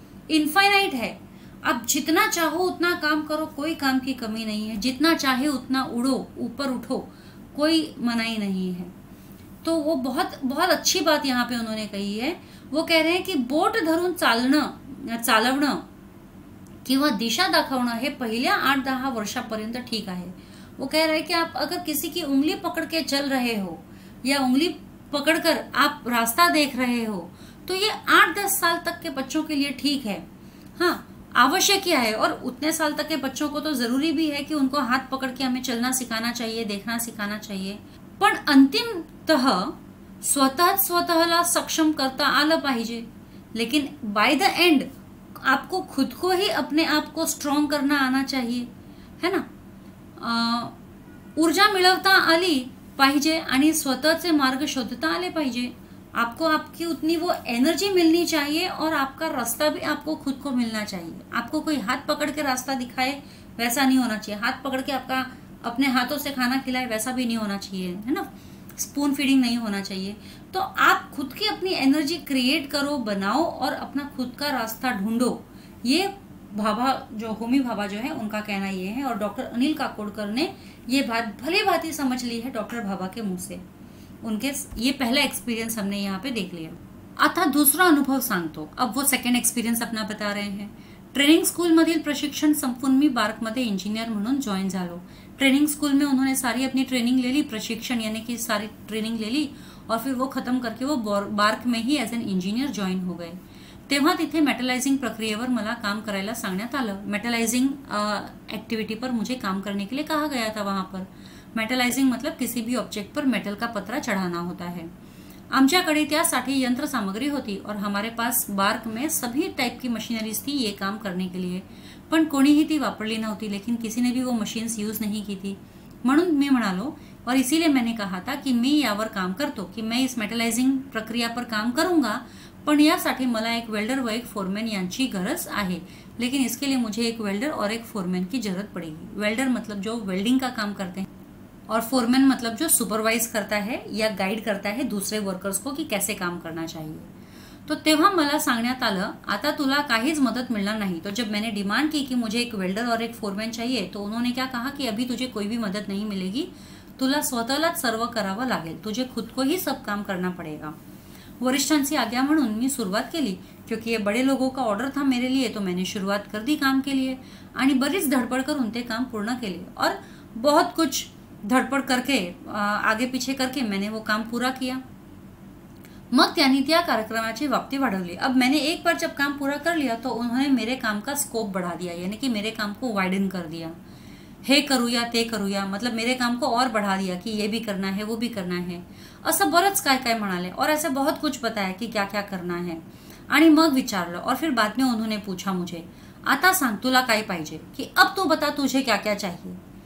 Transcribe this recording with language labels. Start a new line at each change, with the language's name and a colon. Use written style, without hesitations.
Hindi: Infinite है, आप जितना चाहो उतना काम करो, कोई काम की कमी नहीं है, जितना चाहे उतना उड़ो, ऊपर उठो, कोई मनाही नहीं है। तो वो बहुत बहुत अच्छी बात यहाँ पे उन्होंने कही है। वो कह रहे हैं कि
Marathi: बोट धरून चालवणं किंवा दिशा दाखवणं हे पहिल्या 8-10 वर्षापर्यंत ठीक आहे।
Hindi: वो कह रहे हैं कि आप अगर किसी की उंगली पकड़ के चल रहे हो या उंगली पकड़कर आप रास्ता देख रहे हो तो ये 8-10 साल तक के बच्चों के लिए ठीक है। हाँ, आवश्यक है, और उतने साल तक के बच्चों को तो जरूरी भी है कि उनको हाथ पकड़ के हमें चलना सिखाना चाहिए, देखना सिखाना चाहिए,
Marathi: पण अंतिमतः स्वतः स्वतःला सक्षम करता आलं पाहिजे।
Hindi: लेकिन बाय द एंड आपको खुद को ही अपने आप को स्ट्रॉन्ग करना आना चाहिए, है ना।
Marathi: ऊर्जा मिळवता आली पाहिजे आणि स्वतःचे मार्ग शोधता आले पाहिजे।
Hindi: आपको आपकी उतनी वो एनर्जी मिलनी चाहिए और आपका रास्ता भी आपको खुद को मिलना चाहिए। आपको कोई हाथ पकड़ के रास्ता दिखाए वैसा नहीं होना चाहिए, हाथ पकड़ के आपका अपने हाथों से खाना खिलाए वैसा भी नहीं होना चाहिए, है ना, स्पून फीडिंग नहीं होना चाहिए। तो आप खुद की अपनी एनर्जी क्रिएट करो, बनाओ और अपना खुद का रास्ता ढूंढो। ये भाभा जो होमी भाभा जो है उनका कहना ये है, और डॉक्टर अनिल काकोडकर ने ये बात भले भांति समझ ली है डॉक्टर भाभा के मुंह से। उनके ये पहला एक्सपीरियंस हमने यहाँ पे देख लिया।
Marathi: आता दूसरा अनुभव सांगतो,
Hindi: अब वो सेकंड एक्सपीरियंस अपना बता रहे हैं।
Marathi: ट्रेनिंग स्कूल मधील प्रशिक्षण संपून मी बार्क मध्ये इंजीनियर म्हणून जॉईन झालो।
Hindi: ट्रेनिंग स्कूल में उन्होंने सारी अपनी ट्रेनिंग ले ली, प्रशिक्षण यानी कि सारी ट्रेनिंग ले ली, और फिर वो खत्म करके वो बार्क में ही एज एन इंजीनियर जॉईन हो गए।
Marathi: तेव्हा तिथे मेटलायझिंग प्रक्रियेवर मला काम करायला सांगण्यात आलं।
Hindi: मेटलायझिंग ऍक्टिव्हिटी पर मुझे काम करने के लिए कहा गया था वहां पर। मेटलायझिंग मतलब किसी भी ऑब्जेक्ट पर मेटल का पत्रा चढ़ाना होता है।
Marathi: आमच्याकडे त्यासाठी यंत्र सामग्री होती
Hindi: और हमारे पास बार्क में सभी टाइप की मशीनरीज थी ये काम करने के लिए,
Marathi: पण कोणीही ती वापरली नव्हती,
Hindi: लेकिन किसी ने भी वो मशीन्स यूज नहीं की थी।
Marathi: म्हणून मी म्हणालो,
Hindi: और इसीलिए मैंने कहा था कि
Marathi: मी यावर काम करतो,
Hindi: कि मैं इस मेटलायझिंग प्रक्रिया पर काम करूंगा,
Marathi: पण यासाठी मला एक वेल्डर व एक फोरमॅन यांची गरज आहे।
Hindi: लेकिन इसके लिए मुझे एक वेल्डर और एक फोरमॅन की जरूरत पड़ेगी। वेल्डर मतलब जो वेल्डिंग का काम करते हैं, और फोरमैन मतलब जो सुपरवाइज करता है या गाइड करता है दूसरे वर्कर्स को कि कैसे काम करना चाहिए।
Marathi: तो तेव्हा मला सांगण्यात आलं, आता तुला काहीच मदत मिळणार नाही।
Hindi: तो जब मैंने डिमांड की कि मुझे एक वेल्डर और एक फोरमैन चाहिए, तो उन्होंने क्या कहा कि अभी तुझे कोई भी मदत नहीं मिलेगी,
Marathi: तुला स्वतःलाच सर्व करावं लागेल,
Hindi: तुझे खुद को ही सब काम करना पड़ेगा।
Marathi: वरिष्ठांची आज्ञा म्हणून मी सुरुवात केली,
Hindi: क्योंकि ये बड़े लोगों का ऑर्डर था मेरे लिए, तो मैंने शुरुआत कर दी काम के लिए
Marathi: आणि बरीच धडपड करून ते काम पूर्ण केले,
Hindi: और बहुत कुछ धड़पड़ करके आगे पीछे करके मैंने वो काम पूरा किया।
Marathi: मग त्यांनी त्या कार्यक्रमाची व्याप्ती वाढवली।
Hindi: अब मैंने एक बार जब काम पूरा कर लिया तो उन्होंने मेरे काम का स्कोप बढ़ा दिया, यानी कि मेरे काम को वाइडन कर दिया।
Marathi: हे करूया ते करूया,
Hindi: मतलब मेरे काम को और बढ़ा दिया कि ये भी करना है वो भी करना है,
Marathi: असं बरंच काय काय म्हणाले,
Hindi: और ऐसे बहुत कुछ बताया कि क्या क्या करना है।
Marathi: आणि मग विचारलं,
Hindi: और फिर बाद में उन्होंने पूछा मुझे,
Marathi: आता सांग तुला काय पाहिजे,
Hindi: कि अब तू बता तुझे क्या क्या चाहिए।